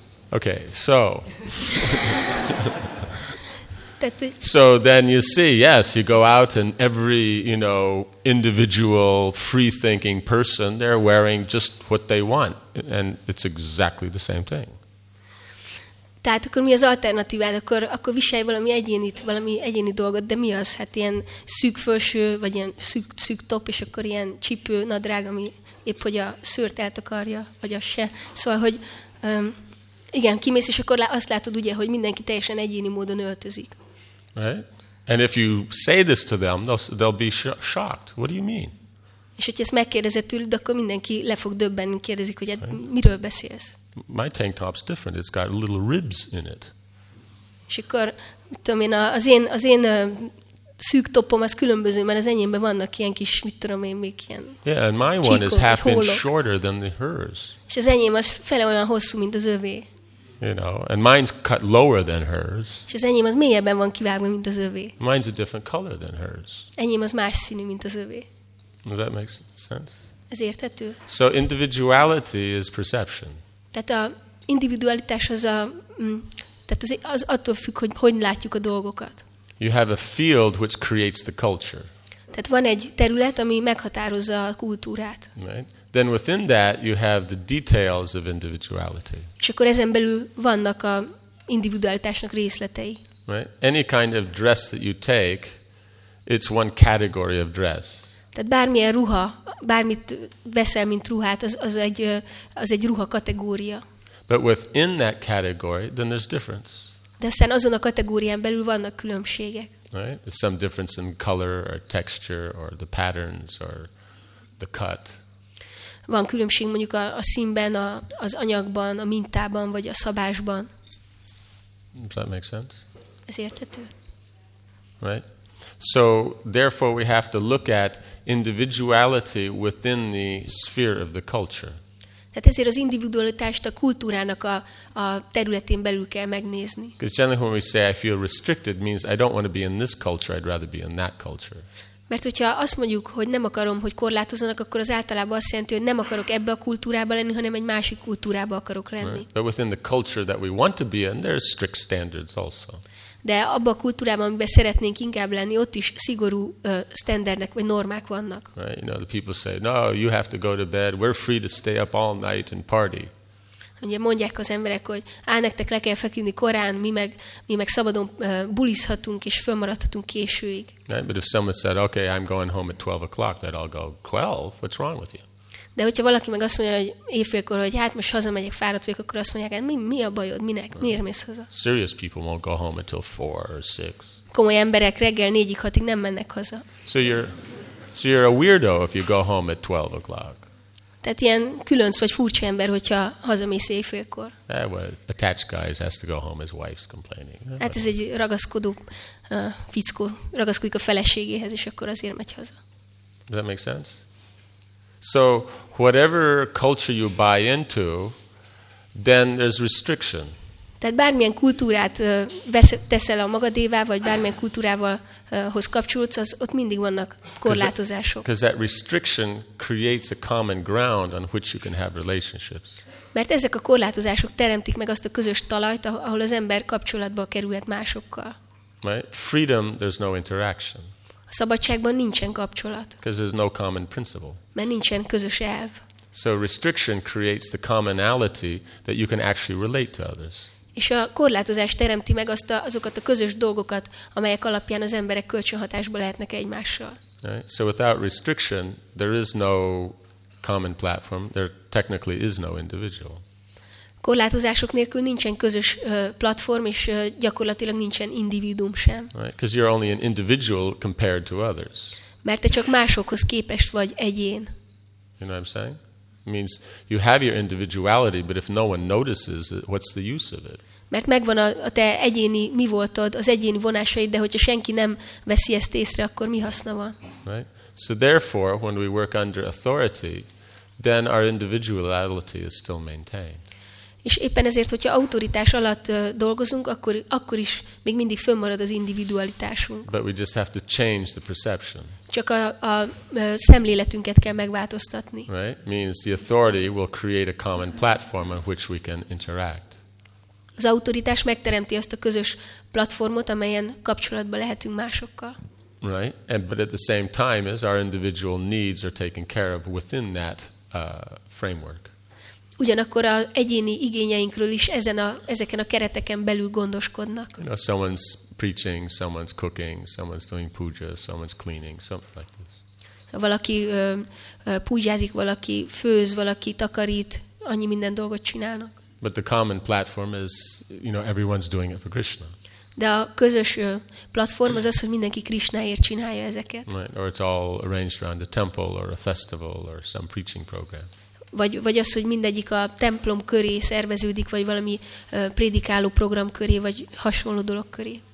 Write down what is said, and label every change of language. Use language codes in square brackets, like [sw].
[en] Okay, so so then you see, yes, you go out and every, you know, individual free-thinking person, they're wearing just what they want, and it's exactly the same thing. [hu] Tehát akkor mi az alternatívád? Akkor viselj valami egyéni dolgot, de mi az? Hát ilyen szűk felső, vagy ilyen szűk top, és akkor ilyen csípő nadrág, ami épp hogy a szőrt eltakarja, vagy az se. Szóval, hogy... Igen, kimész, és akkor azt látod, ugye, hogy mindenki teljesen egyéni módon öltözik. [en] Right? And if you say this to them, they'll be shocked. What do you mean? [hu] És hogyha ezt megkérdezed tőled, akkor mindenki le fog döbbenni, kérdezik, hogy miről beszélsz. [en] My tank top's different. It's got little ribs in it. [hu] És akkor, mit tudom én, az én szűk topom, az különböző, mert az enyémben vannak ilyen kis, mit tudom én, még ilyen csíkok, [en] yeah, and my one is half inch shorter than hers. [hu] És az enyém az fele olyan hosszú, mint az övé. [en] You know, and mine's cut lower than hers. [hu] És az enyém az mélyebben van kivágva, mint az övé. [en] Mine's a different color than hers. [hu] Enyém az más színű, mint az övé. [en] Does that make sense? [hu] Ez érthető. [en] So individuality is perception. [hu] Tehát a individualitás az a, tehát az attól függ, hogy hogyan látjuk a dolgokat. [en] You have a field which creates the culture. [hu] Tehát van egy terület, ami meghatározza a kultúrát. [en] Right. Then within that you have the details of individuality. [hu] És akkor ezen belül vannak a individualitásnak részletei. [en] Right? Any kind of dress that you take, it's one category of dress. [hu] Tehát bármilyen ruha, bármit veszel mint ruhát, az egy ruha kategória. [en] But within that category, then there's difference. [hu] De aztán azon a kategórián belül vannak különbségek. [en] Right? There's some difference in color or texture or the patterns or the cut. [hu] Van különbség mondjuk a színben, az anyagban, a mintában, vagy a szabásban. [en] Does that make sense? [hu] Ez érthető? [en] Right? So therefore we have to look at individuality within the sphere of the culture. [hu] Tehát ezért az individualitást a kultúrának a területén belül kell megnézni. [en] Because generally when we say I feel restricted means I don't want to be in this culture, I'd rather be in that culture. [hu] Mert hogyha azt mondjuk, hogy nem akarom, hogy korlátozzanak, akkor az általában azt jelenti, hogy nem akarok ebbe a kultúrába lenni, hanem egy másik kultúrába akarok lenni. [en] Right. But within the culture that we want to be in, there are strict standards also. [hu] De abba a kultúrában, amiben szeretnénk inkább lenni, ott is szigorú standardek vagy normák vannak. [en] Right. You know, the people say, no, you have to go to bed, we're free to stay up all night and party. [hu] Ugye mondják az emberek, hogy nektek le kell feküdni korán, mi meg szabadon bulizhatunk és fölmaradhatunk későig. [en] Right, but if someone said, okay, I'm going home at 12 o'clock, then I'll go 12. What's wrong with you? [hu] De hogyha valaki meg azt mondja, hogy éjfélkor, hogy most hazamegyek, fáradt vagyok, akkor azt mondják, hát mi a bajod, minek, miért mész haza? [en] Serious people won't go home until 4 or 6. [hu] Komoly emberek reggel 4-6-ig nem mennek haza. [en] So you're a weirdo if you go home at 12 o'clock. [hu] Tehát ilyen különc vagy furcsa ember, hogyha hazamész éjfélkor. [en] Yeah, well, attached guys has to go home, his wife's complaining. [hu] Hát ez egy ragaszkodó fickó, ragaszkodik a feleségéhez, és akkor azért megy haza. [en] Does that make sense? So, whatever culture you buy into, then there's restriction. [hu] Tehát bármilyen kultúrát teszel a magadévá, vagy bármilyen kultúrával hoz kapcsolódsz, az ott mindig vannak korlátozások. [en] Because that restriction creates a common ground on which you can have relationships. [hu] Mert ezek a korlátozások teremtik meg azt a közös talajt, ahol az ember kapcsolatba kerülhet másokkal. [en] Right? Freedom, there's no interaction. [hu] A szabadságban nincsen kapcsolat. [en] Because there's no common principle. [hu] Mert nincsen közös elv. [en] So restriction creates the commonality that you can actually relate to others. [hu] És a korlátozás teremti meg azt azokat a közös dolgokat, amelyek alapján az emberek kölcsönhatásba lehetnek egymással. [en] Right. So without restriction, there is no common platform. There technically is no individual. [hu] Korlátozások nélkül nincsen közös platform, és gyakorlatilag nincsen individuum sem. [en] Right. Because you're only an individual compared to others. [hu] Mert te csak másokhoz képest vagy egyén. [en] You know what I'm saying? Means you have your individuality, but if no one notices it, what's the use of it? [hu] Mert megvan a te egyéni mi voltod, az egyéni vonásaid, de hogyha senki nem veszi ezt észre, akkor mi haszna van? [en] Right. So therefore, when we work under authority, then our individuality is still maintained. [hu] És éppen ezért, hogyha autoritás alatt dolgozunk, akkor is még mindig fönnmarad az individualitásunk. [en] But we just have to change the perception. [hu] Csak a szemléletünket kell megváltoztatni. [en] Right? Means the authority will create a common platform on which we can interact. [hu] Az autoritás megteremti azt a közös platformot, amelyen kapcsolatban lehetünk másokkal. [en] Right? But at the same time as our individual needs are taken care of within that framework. [hu] Ugyanakkor az egyéni igényeinkről is ezeken a kereteken belül gondoskodnak. [en] You know, someone's preaching, someone's cooking, someone's doing puja, someone's cleaning, something like this. [hu] Szóval valaki pujázik, valaki főz, valaki takarít, annyi minden dolgot csinálnak. [en] But the common platform is, you know, everyone's doing it for Krishna. [hu] De a közös platform az, hogy mindenki Krishnáért csinálja ezeket. [en] Right. Or it's all arranged around a temple or a festival or some preaching program. [hu] Vagy az, hogy mindegyik a templom köré szerveződik, vagy valami prédikáló program köré, vagy hasonló dolog köré.